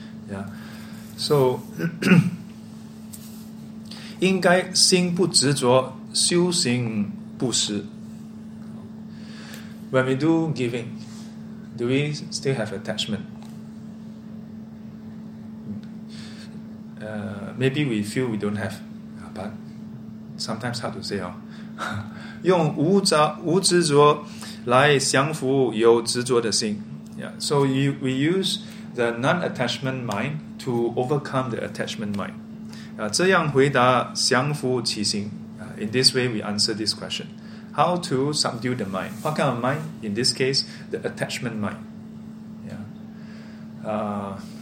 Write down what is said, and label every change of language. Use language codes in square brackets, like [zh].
[zh] Yeah. So, 应该心不执着修行布施. [en] When we do giving, do we still have attachment? Maybe we feel we don't have, but sometimes hard to say. [zh] 用无执着 来降服有执着的心. [en] Yeah. So we use the non-attachment mind to overcome the attachment mind. [zh] 这样回答降服其心. [en] In this way, we answer this question. how to subdue the mind. What kind of mind? In this case, the attachment mind.